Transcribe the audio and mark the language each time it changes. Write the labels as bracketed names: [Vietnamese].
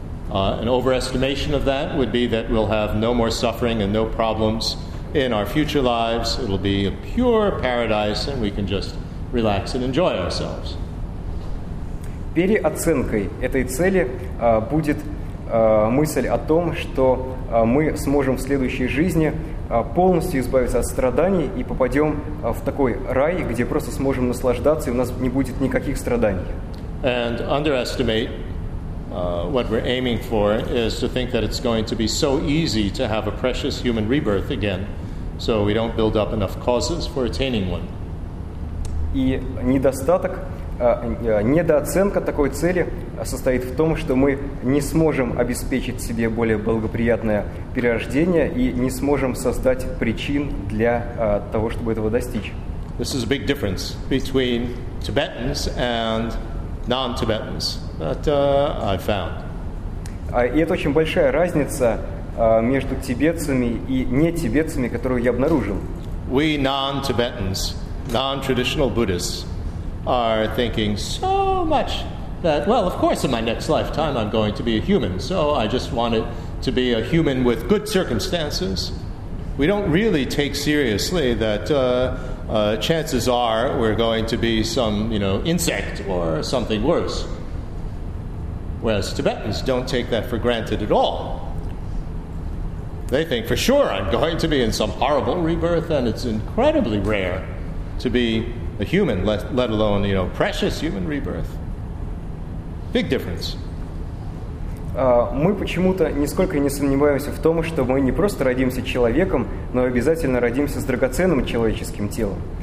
[English] An overestimation of that would be that we'll have no more suffering and no problems in our future lives. It'll be a pure paradise and we can just relax and enjoy ourselves. [Russian] Переоценкой этой цели будет мысль о том, что мы сможем в следующей жизни полностью избавиться от страданий и попадем в такой рай, где просто сможем наслаждаться, и у нас не будет никаких страданий. [English] And underestimate what we're aiming for is to think that it's going to be so easy to have a precious human rebirth again, so we don't build up enough causes for attaining one. [Russian] И недостаток, недооценка такой цели состоит в том, что мы не сможем обеспечить себе более благоприятное перерождение и не сможем создать причин для того, чтобы этого достичь. [English] This is a big difference between Tibetans and non-Tibetans that I found. [Russian] И это очень большая разница между тибетцами и нетибетцами, которую я обнаружил. [English] We non-Tibetans, non-traditional Buddhists, are thinking so much that, well, of course, in my next lifetime, I'm going to be a human. So I just want it to be a human with good circumstances. We don't really take seriously that chances are we're going to be some, insect or something worse. Whereas Tibetans don't take that for granted at all. They think, for sure, I'm going to be in some horrible rebirth, and it's incredibly rare to be a human, let alone, you know, precious human rebirth. Big difference. [Russian] Мы почему-то нисколько не сомневаемся в том, что мы не просто родимся человеком, но обязательно родимся с драгоценным человеческим телом.